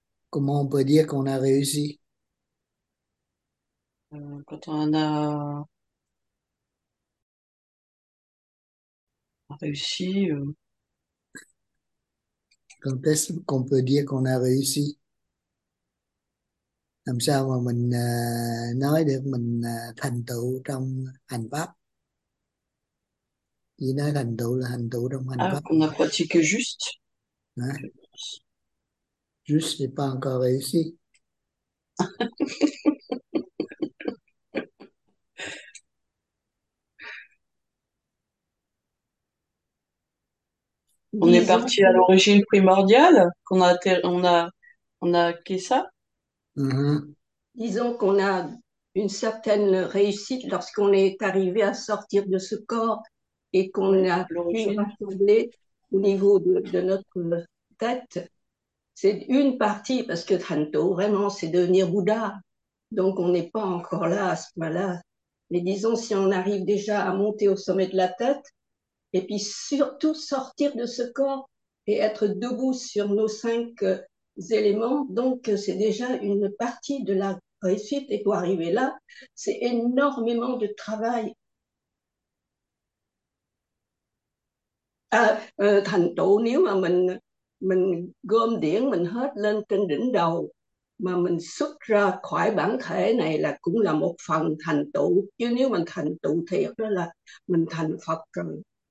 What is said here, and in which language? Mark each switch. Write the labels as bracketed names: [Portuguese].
[French] Comment on peut dire qu'on a réussi? Quand on a réussi. Quand est-ce qu'on peut dire qu'on a réussi? [Vietnamese] Làm sao mà mình nói được mình thành tựu trong hành pháp? Chỉ nói thành tựu là thành tựu trong hành Ah, pháp. [French] qu'on a pratiqué juste. Hein? Juste, c'est pas encore réussi. On est Disons parti à l'origine primordiale, qu'on a acquis ça. Disons qu'on a une certaine réussite lorsqu'on est arrivé à sortir de ce corps et qu'on a pu nous L'origine. rassembler au niveau de notre tête. C'est une partie, parce que Thanto, vraiment, c'est devenir Bouddha. Donc, on n'est pas encore là à ce moment-là. Mais disons, si on arrive déjà à monter au sommet de la tête, et puis surtout sortir de ce corps et être debout sur nos cinq éléments, donc c'est déjà une partie de la réussite. Et pour arriver là, c'est énormément de travail. [Vietnamese] Thành tựu nếu mà mình gom điển mình hết lên trên đỉnh đầu mà mình xuất ra khỏi bản thể này là cũng là một phần thành tựu, chứ nếu mình thành tựu thiệt đó là mình thành Phật rồi.